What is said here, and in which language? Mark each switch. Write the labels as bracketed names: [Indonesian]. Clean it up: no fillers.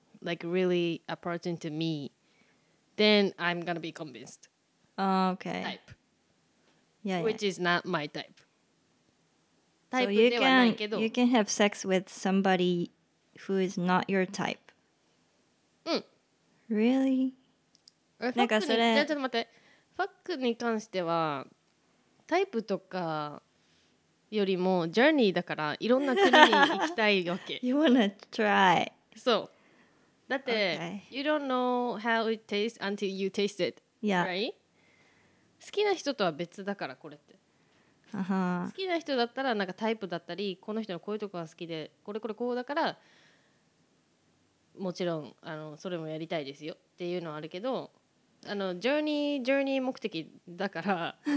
[English] Like really approaching to me, then I'm gonna be convinced. Okay. Type. Yeah. Which yeah. is not my type. So you can have sex with somebody who is not your type. [Japanese] うん。 [English] Really? [Japanese] なんかそれ。ちょっと待って。ファックに関してはタイプとかよりもジャーニーだからいろんな国に行きたいわけ。 [English] You wanna try. [Japanese] そう。だって、okay. [English] You don't know how it tastes until you taste it. Yeah. Right? [Japanese] 好きな人とは別だからこれって。 [English] Uh-huh. [Japanese] 好きな人だったらなんかタイプだったりこの人のこういうとこが好きでこれこれこうだからもちろんあのそれもやりたいですよっていうのはあるけどあのジョーニー目的だから